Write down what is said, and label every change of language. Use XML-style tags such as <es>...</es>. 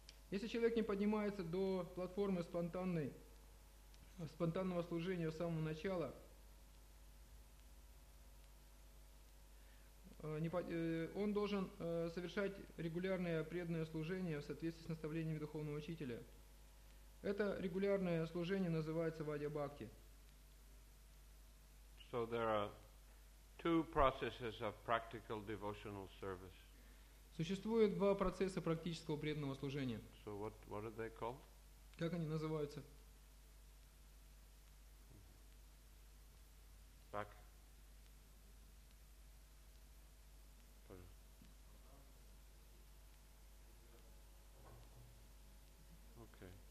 <ru>Если человек не поднимается до платформы спонтанного служения с самого начала, он должен совершать регулярное преданное служение в соответствии с наставлениями духовного учителя. Это регулярное служение называется вади-бхакти.</ru> <en>So there are two processes of practical devotional service.</en> <ru>Существует два процесса практического преданного служения.</ru> <en>So what are they called?</en> <ru>Как они называются? Так.</ru> <en>Okay.</en>